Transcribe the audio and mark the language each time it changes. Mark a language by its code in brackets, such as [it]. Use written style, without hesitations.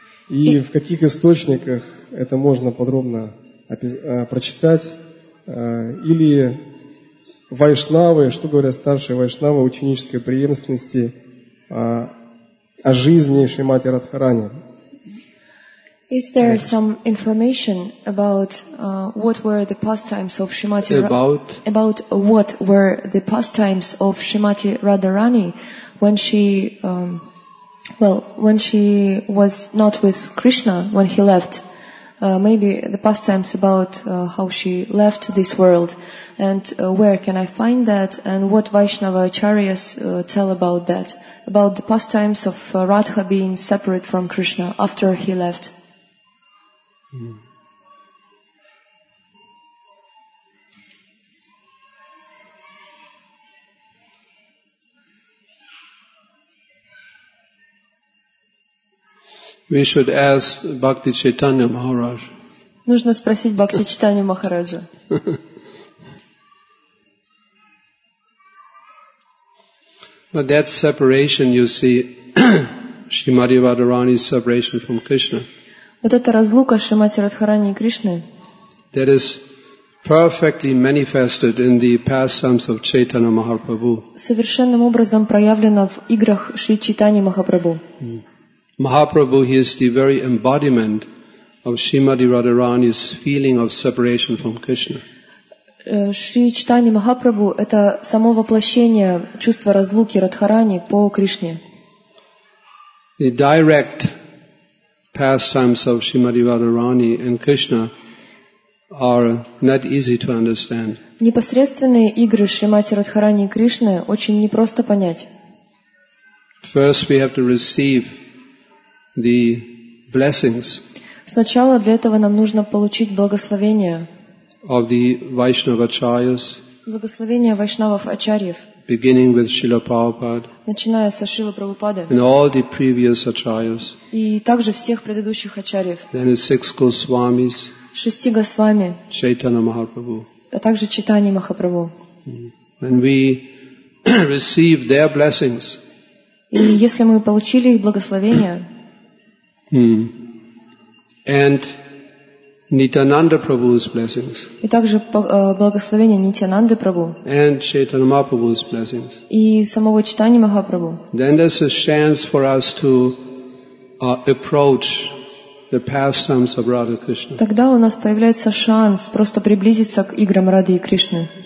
[ru] И в каких источниках это можно подробно прочитать? Или вайшнавы, что говорят старшие вайшнавы, ученической преемственности о жизни Шримати Радхарани. [en] Is there some information about what were the pastimes of Shrimati about what were the pastimes of Shrimati Radharani when she when she was not with Krishna, when he left? Maybe the pastimes about how she left this world, and where can I find that, and what Vaishnava Acharyas tell about that, about the pastimes of Radha being separate from Krishna after he left. We should ask Bhakti Chaitanya Maharaj. [ru] Нужно спросить Бхакти Чайтанью Махараджа. [en] But that separation, you see, Shrimati Radharani's separation from Krishna. [ru] Вот эта разлука Шримати Радхарани и Кришны. [en] That is perfectly manifested in the pastimes of Chaitanya Mahaprabhu. [ru] Совершенным образом проявлено в играх Шри Чайтаньи Махапрабху. [en] Mahaprabhu, he is the very embodiment of Shrimati Radharani's feeling of separation from Krishna. [ru] Шри Чайтанья Махапрабху — это само воплощение чувства разлуки Радхарани по Кришне. [en] The direct pastimes of Shrimati Radharani and Krishna are not easy to understand. [ru] Непосредственные игры Шримати Радхарани и Кришны очень непросто понять. [en] First we have to receive the blessings. [ru] Сначала для этого нам нужно получить благословение. [en] Of the Vaishnava Acharyas. [ru] Благословение Вайшнавов Ачарьев. [en] Beginning with Srila Prabhupada. [ru] Начиная со Шрилы Прабхупады. [en] And all the previous Acharyas. [ru] И также всех предыдущих Ачарьев. [en] Then the six Госвамис. [ru] Шести Госвами. Чайтанья Махапрабху. А также Чайтанья Махапрабху. [en] When we receive their blessings. [ru] И если мы получили их благословение. [en] And Nityananda Prabhu's blessings. [ru] И также благословение Нитянанды Прабху. [en] And Chaitanya Mahaprabhu's blessings. [ru] И самого Чайтаньи Махапрабху. [en] Then there's a chance for us to approach the pastimes of Radha Krishna. [ru] Тогда у нас появляется шанс просто приблизиться к играм Рады и Кришны.